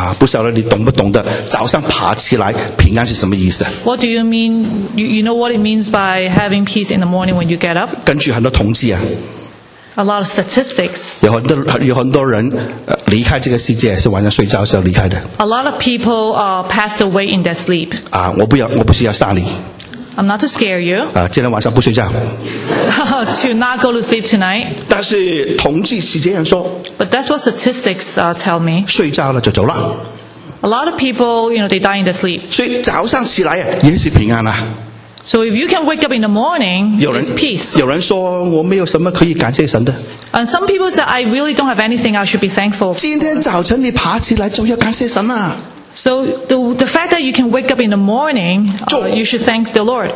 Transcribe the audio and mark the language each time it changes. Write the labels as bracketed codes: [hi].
[zh] 不晓得你懂不懂得早上爬起来平安是什么意思？ [en] What do you mean? You know what it means by having peace in the morning when you get up? [zh] 根据很多统计啊。 [en] A lot of statistics. [zh] 有很多人离开这个世界是晚上睡觉的时候离开的。 [en] A lot of people passed away in their sleep. [zh] 我不需要吓你。 [en] I'm not to scare you. [zh] 今天晚上不睡觉。 [en] To not go to sleep tonight. [zh] 但是统计是这样说。 [en] But that's what statistics tell me. [zh] 睡觉了就走了。 [en] A lot of people, you know, they die in their sleep. [zh] 所以早上起来也是平安啊。 [en] So if you can wake up in the morning, it's peace. [zh] 有人说我没有什么可以感谢神的。 [en] And some people say I really don't have anything I should be thankful. [zh] 今天早晨你爬起来就要感谢神啊。 [en] So the fact that you can wake up in the morning, you should thank the Lord.